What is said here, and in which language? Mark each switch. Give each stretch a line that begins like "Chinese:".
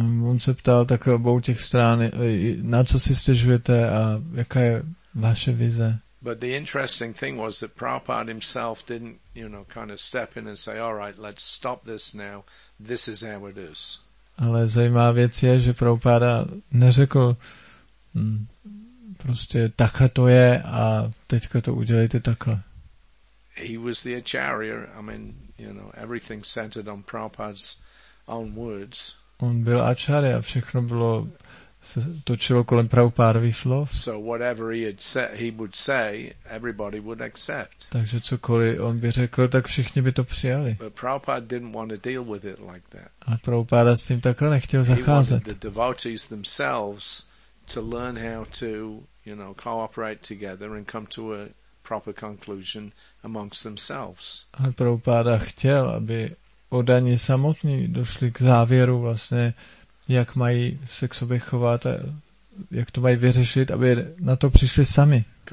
Czech: On se ptal takhle obou těch stran, na co si stěžujete a jaká je vaše vize.
English: But the interesting thing was that Prabhupada himself didn't, you know, kind of step in and say, all right, let's stop this now, this is how it is.
Czech: Ale zajímavá věc je, že Prabhupada neřekl, prostě takhle to je a teďka to udělejte takhle.
English: He was the acharya, I mean, you know, everything centered on Prabhupada's own words.
Czech: On byl ačary a všechno bylo, se točilo kolem Prabhupádových slov.
English: So whatever he had said, he would say, everybody would accept.
Czech: Takže cokoliv on by řekl, tak všichni by to přijali.
English: But Prabhupada didn't want to deal with it like that.
Czech: Ale Prabhupáda s tím takhle nechtěl zacházet.
English: He wanted the devotees themselves to learn how to, you know, cooperate together and come to a proper conclusion amongst themselves.
Czech: Ale Prabhupáda chtěl, aby oddaní samotní došli k závěru vlastně, jak mají se k sobě chovat a jak to mají vyřešit, aby na to přišli sami.